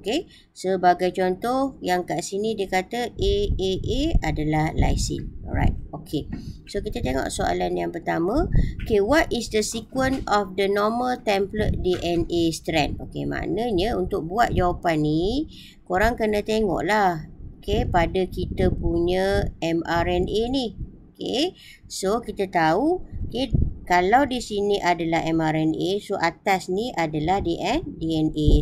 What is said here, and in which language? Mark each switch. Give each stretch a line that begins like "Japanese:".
Malay: Okay, sebagai contoh yang kat sini dia kata AAA adalah lysine. Alright, okay. So, kita tengok soalan yang pertama.
English: Okay, what is the sequence of the normal template DNA strand?
Malay: Okay, maknanya untuk buat jawapan ni, korang kena tengok lah. Okay, pada kita punya mRNA ni. Okay, so kita tahu, okay, kalau di sini adalah mRNA, so atas ni adalah DNA.